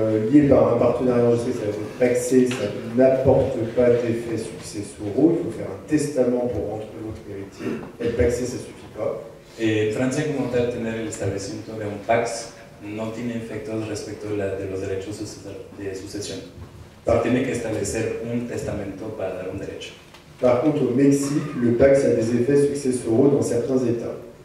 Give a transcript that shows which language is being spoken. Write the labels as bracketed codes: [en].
[fr] lié par un partenariat enregistré, ça veut dire pacsé, ça n'apporte pas d'effet successoraux, il faut faire un testament pour rendre l'autre héritier. Être pacsé, ça ne suffit pas. [es] En France, [fr] comme [es] tal, tener el establecimiento de un PAX no tiene efectos respecto de los derechos de sucesión. Pero tiene que establecer un testamento para dar un derecho. [fr] Par contre, au Mexique, le PAX a des effets successoraux dans certains États.